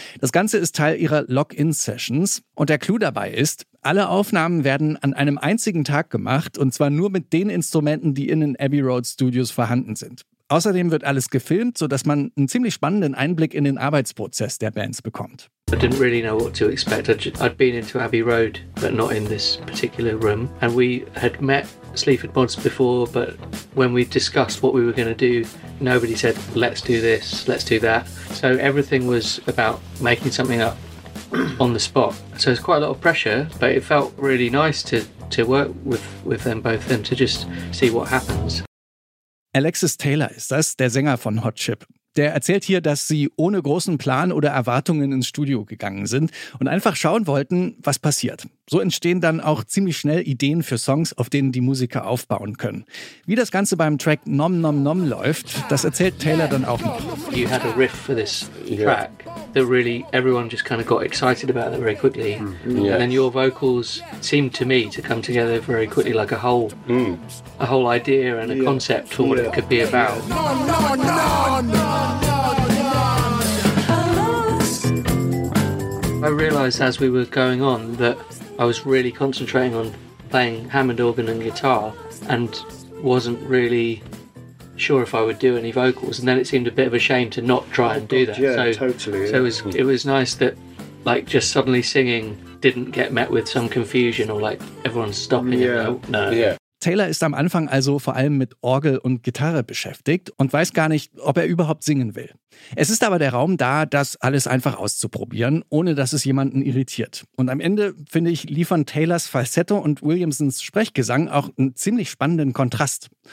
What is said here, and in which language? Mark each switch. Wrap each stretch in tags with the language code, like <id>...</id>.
<de>Das Ganze ist Teil ihrer Lock-In-Sessions und der Clou dabei ist, alle Aufnahmen werden an einem einzigen Tag gemacht und zwar nur mit den Instrumenten, die in den Abbey Road Studios vorhanden sind. Außerdem wird alles gefilmt, sodass man einen ziemlich spannenden Einblick in den Arbeitsprozess der Bands bekommt.</de> <en>I didn't really know what to expect. I'd been into Abbey Road, but not in this particular room. And we had met Sleaford Mods before, but when we discussed what we were going to do, nobody said, let's do this, let's do that. So everything was about making something up on the spot. So it's quite a lot of pressure, but it felt really nice to work with them both and to just see what happens.</en> <de>Alexis Taylor ist das, der Sänger von Hot Chip. Der erzählt hier, dass sie ohne großen Plan oder Erwartungen ins Studio gegangen sind und einfach schauen wollten, was passiert. So entstehen dann auch ziemlich schnell Ideen für Songs, auf denen die Musiker aufbauen können. Wie das Ganze beim Track Nom Nom Nom läuft, das erzählt Taylor dann auch noch.</de> <en>You had a riff for this track that really everyone just kind of got excited about it very quickly. Yes. And then your vocals seemed to me to come together very quickly, like a whole idea and a concept for what it could be about. I realized as we were going on that I was really concentrating on playing Hammond organ and guitar and wasn't really sure if I would do any vocals, and then it seemed a bit of a shame to not try and do that. So it was nice that, like, just suddenly singing didn't get met with some confusion or like everyone stopping.</en> <de>Taylor ist am Anfang also vor allem mit Orgel und Gitarre beschäftigt und weiß gar nicht, ob er überhaupt singen will. Es ist aber der Raum da, das alles einfach auszuprobieren, ohne dass es jemanden irritiert. Und am Ende, finde ich, liefern Taylors Falsetto und Williamsons Sprechgesang auch einen ziemlich spannenden Kontrast.</de>